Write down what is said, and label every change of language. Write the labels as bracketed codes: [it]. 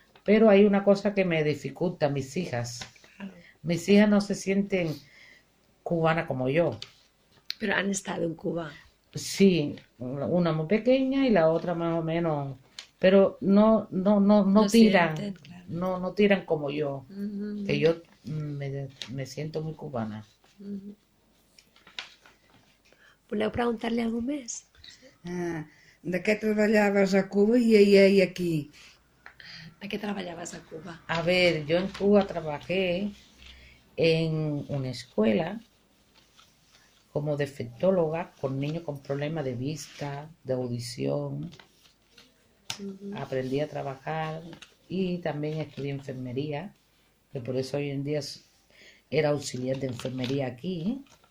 [es] Pero hay una cosa que me dificulta, mis hijas. Mis hijas no se sienten cubanas como yo. Pero han estado en Cuba. Sí, una muy pequeña y la otra más o menos. Pero no tiran. Sienten, claro. No tiran como yo. Que yo me siento muy cubana. [ca] Voleu preguntar-li alguna cosa més? De què treballaves a Cuba i aquí? De què treballaves a Cuba? A veure, jo en Cuba treballé en una escola com a defectòloga [es] con niños con problemas de vista, de audición. Aprendí a trabajar y también estudié enfermería, que por eso hoy en día era auxiliar de enfermería aquí.